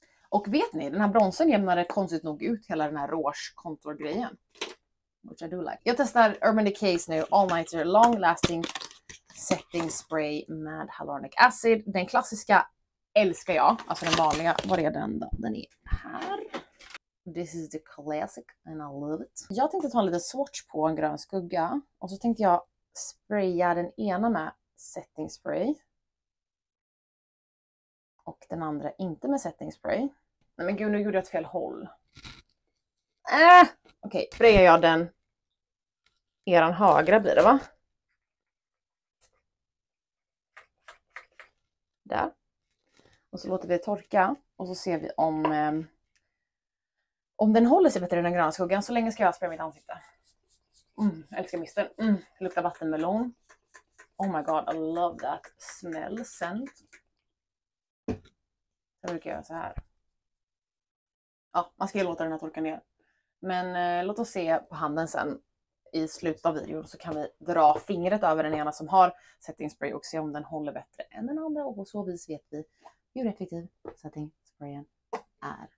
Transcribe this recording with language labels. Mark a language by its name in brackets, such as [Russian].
[Swedish] Och vet ni, den här bronsen jämnade konstigt nog ut hela den här rouge-contour-grejen. [English] Which I do like. [Swedish] Jag testar Urban Decay's nu All Nighter Long Lasting Setting Spray med Hyaluronic Acid. Den klassiska älskar jag. Alltså den vanliga, var är den då? Den är här. [English] This is the classic and I love it. [Swedish] Jag tänkte ta en liten swatch på en grön skugga. Och så tänkte jag spraya den ena med setting spray. Och den andra inte med setting spray. Nej men gud, nu gjorde jag ett fel håll. Okej, okay, sprayar jag den. Eran högra blir det va? Där. Och så låter vi det torka. Och så ser vi om Om den håller sig bättre än granskuggan, så länge ska jag spraya mitt ansikte. Mm, älskar misten. Mm, luktar vattenmelon. [English] Oh my god, I love that smell scent. [Swedish] Jag brukar göra så här. Ja, man ska ju låta den här torka ner. Men låt oss se på handen sen. I slutet av videon så kan vi dra fingret över den ena som har setting spray och se om den håller bättre än den andra. Och på så vis vet vi hur effektiv setting sprayen är.